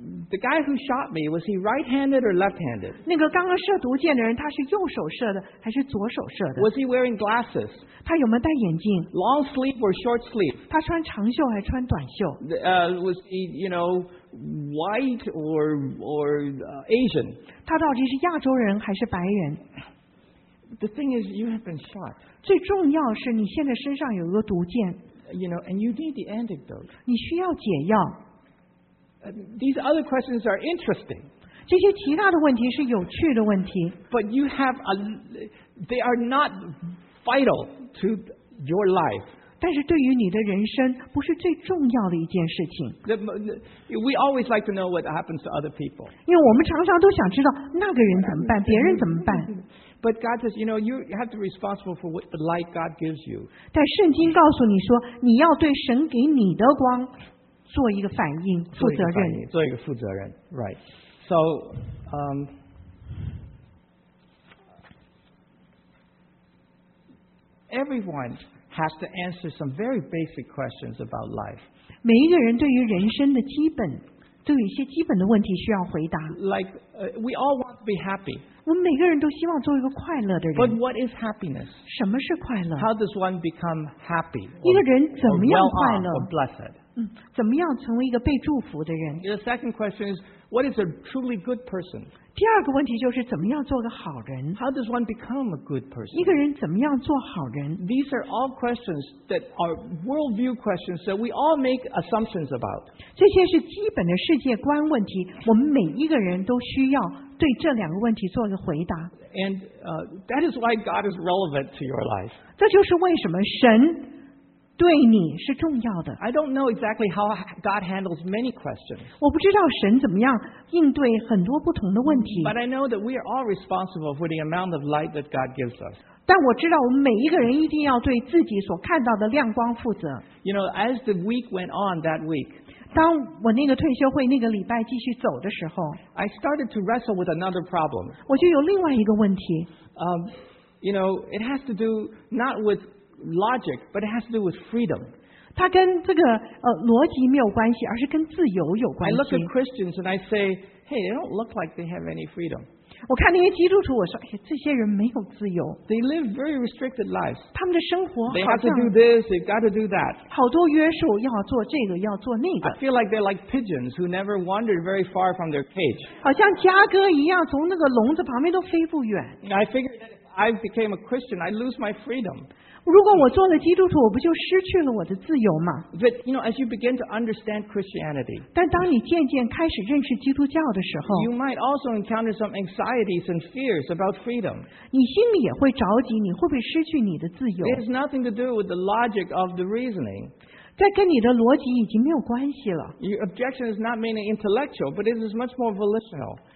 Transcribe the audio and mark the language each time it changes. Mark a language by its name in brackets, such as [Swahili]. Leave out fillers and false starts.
[English] the guy who shot me, was he right-handed or left-handed? [Chinese] 那个刚刚射毒箭的人，他是右手射的还是左手射的？ [English] Was he wearing glasses? [Chinese] 他有没有戴眼镜？ [English] Long sleeve or short sleeve? [Chinese] 他穿长袖还穿短袖？ [English] Was he, you know, white or Asian? [Chinese] 他到底是亚洲人还是白人？ [English] The thing is, you have been shot. [Chinese] 最重要是你现在身上有一个毒箭。 [English] You know, and you need the antidote. [Chinese] 你需要解药。 [English] These other questions are interesting. [Chinese] 这些其他的问题是有趣的问题。 [English] But you have a, they are not vital to your life. [Chinese] 但是对于你的人生不是最重要的一件事情。 [English] We always like to know what happens to other people. [Chinese] 因为我们常常都想知道那个人怎么办，别人怎么办。 [English] But God says, you know, you have to be responsible for what the light God gives you. [Chinese] 但圣经告诉你说，你要对神给你的光做一个反应，负责任。做一个负责任 ， [English] right? So, everyone has to answer some very basic questions about life. [Chinese] 每一个人对于人生的基本，都有一些基本的问题需要回答。 [English] Like, we all want to be happy. [Chinese] 我们每个人都希望做一个快乐的人。 [English] But what is happiness? [Chinese] 什么是快乐？ [English] How does one become happy? [Chinese] 一个人怎么样快乐？ [English] Or blessed? [Chinese] 怎么样成为一个被祝福的人？ [English] The second question is, what is a truly good person? [Chinese] 第二个问题就是怎么样做个好人？ [English] How does one become a good person? [Chinese] 一个人怎么样做好人？ [English] These are all questions that are worldview questions that we all make assumptions about. [Chinese] 这些是基本的世界观问题，我们每一个人都需要对这两个问题做一个回答。 [English] And that is why God is relevant to your life. [Chinese] 这就是为什么神对你是重要的。 [English] I don't know exactly how God handles many questions. [Chinese] 我不知道神怎么样应对很多不同的问题。 [English] But I know that we are all responsible for the amount of light that God gives us. [Chinese] 但我知道我们每一个人一定要对自己所看到的亮光负责。 [English] You know, as the week went on that week, [Chinese] 当我那个退休会那个礼拜继续走的时候 [English] I started to wrestle with another problem. [Chinese] 我就有另外一个问题。 [English] You know, it has to do not with logic, but it has to do with freedom. [Chinese] 它跟这个逻辑没有关系，而是跟自由有关系。 [English] I look at Christians and I say, hey, they don't look like they have any freedom. [Chinese] 我看那些基督徒，我说，哎呀，这些人没有自由。 [English] They live very restricted lives. [Chinese] 他们的生活好像 [English] they have to do this, they've got to do that. [Chinese] 好多约束，要做这个，要做那个。 [English] I feel like they're like pigeons who never wandered very far from their cage. [Chinese] 好像家鸽一样，从那个笼子旁边都飞不远。 [English] I figured that if I became a Christian, I'd lose my freedom. [Chinese] 如果我做了基督徒，我不就失去了我的自由吗？ [English] But you know, as you begin to understand Christianity, [Chinese] 但当你渐渐开始认识基督教的时候， [English] you might also encounter some anxieties and fears about freedom. [Chinese] 你心里也会着急，你会不会失去你的自由？ [English] It has nothing to do with the logic of the reasoning. [Chinese] 这跟你的逻辑已经没有关系了。 [English] Your objection is not mainly intellectual, but it is much more volitional.